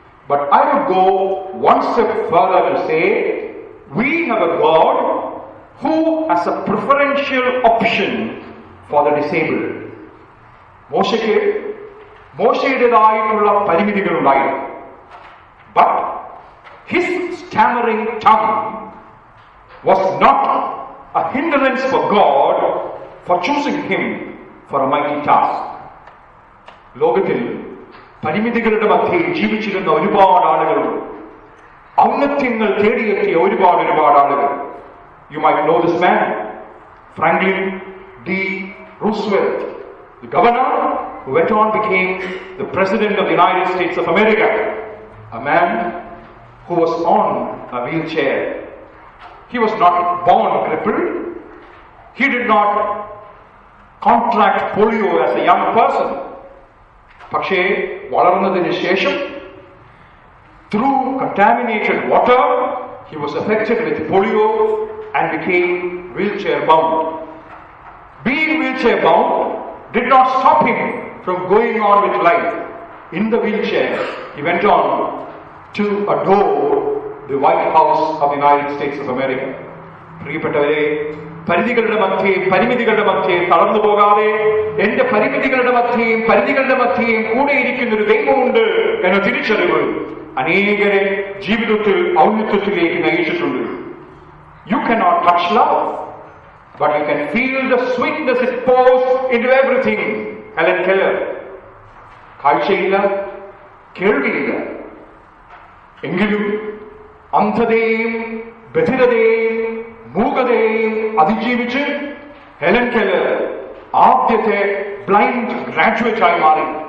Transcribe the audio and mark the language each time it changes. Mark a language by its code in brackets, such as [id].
[en] But I would go one step further to say, we have a God who has a preferential option for the disabled. [ml] മോശയ്ക്ക് മോശയുടേതായിട്ടുള്ള പരിമിതികൾ ഉണ്ടായിരുന്നു. [en] But his stammering tongue was not a hindrance for God for choosing him for a mighty task. [ml] ലോകത്തിൽ പരിമിതികളുടെ മധ്യയിൽ ജീവിച്ചിരുന്ന ഒരുപാട് ആളുകളും ഔന്നത്യങ്ങൾ തേടിയെത്തിയ ഒരുപാട് ആളുകൾ. [en] You might know this man, Franklin D. Roosevelt, the governor who went on became the president of the United States of America. A man who was on a wheelchair. He was not born crippled. He did not contract polio as a young person. [ml] പക്ഷെ വളർന്നതിനു ശേഷം, [en] through contaminated water, he was affected with polio and became wheelchair bound. Being wheelchair bound did not stop him from going on with life. In the wheelchair, he went on to adore the White House of the United States of America. [ml] പ്രിയപ്പെട്ടവരെ, പരിമിതികളുടെ മധ്യേ തളർന്നു പോകാതെ എന്റെ പരിമിതികളുടെ മധ്യേയും കൂടെ ഇരിക്കുന്ന ഒരു ദൈവമുണ്ട് എന്ന തിരിച്ചറിവ് അനേകരെ ജീവിതത്തിൽ ഔന്നത്യത്തിലേക്ക് നയിച്ചിട്ടുണ്ട്. [en] You cannot touch love, but you can feel the sweetness it pours into everything. Helen Keller. [ml] കാഴ്ചയില്ല, കേൾവിയില്ല, എങ്കിലും അന്ധതയെയും ബധിരതയെയും മൂകതയെയും അതിജീവിച്ച് ഹെലൻ കെല്ലർ ആദ്യത്തെ ബ്ലൈൻഡ് ഗ്രാജുവേറ്റ് ആയി മാറി.